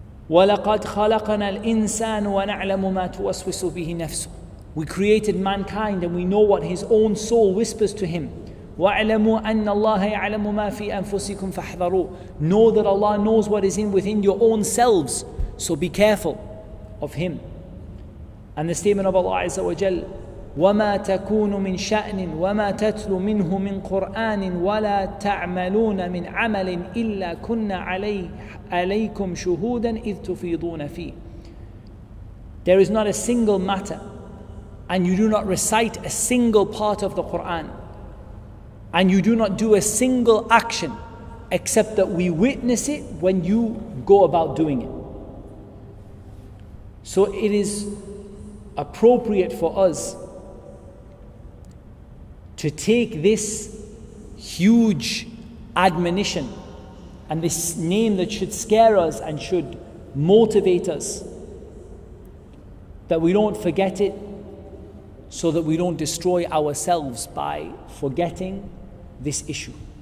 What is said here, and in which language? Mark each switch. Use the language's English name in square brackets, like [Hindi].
[Arabic] وَلَقَدْ خَلَقَنَا الْإِنسَانُ وَنَعْلَمُ مَا تُوَسْوِسُ بِهِ نَفْسُ. [English] We created mankind and we know what his own soul whispers to him. [Arabic] وَعْلَمُوا أَنَّ اللَّهَ يَعْلَمُ مَا فِي أَنفُسِكُمْ فَحْذَرُوا. [English] Know that Allah knows what is in within your own selves, so be careful of him. And the statement of Allah Azza wa Jal, [Arabic] وَمَا تَكُونُ مِنْ شَأْنٍ وَمَا تَتْلُ مِنْهُ مِنْ قُرْآنٍ وَلَا تَعْمَلُونَ مِنْ عَمَلٍ إِلَّا كُنَّ عَلَيْكُمْ شُهُودًا إِذْ تُفِيضُونَ فِيهِ. [English] There is not a single matter, and you do not recite a single part of the Qur'an, and you do not do a single action, except that we witness it when you go about doing it. So it is appropriate for us to take this huge admonition and this name that should scare us and should motivate us, that we don't forget it so that we don't destroy ourselves by forgetting this issue.